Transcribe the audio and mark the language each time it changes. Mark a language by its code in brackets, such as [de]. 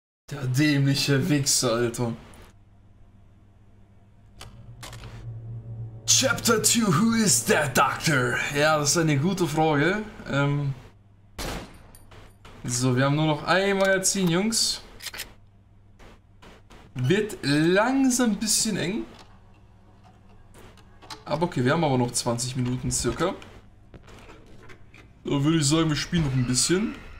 [de] Der dämliche Wichser, Alter. [en] Chapter 2, who is that doctor? [de] Ja, das ist eine gute Frage. So, wir haben nur noch ein Magazin, Jungs. Wird langsam ein bisschen eng. Aber okay, wir haben aber noch 20 Minuten circa. Dann würde ich sagen, wir spielen noch ein bisschen.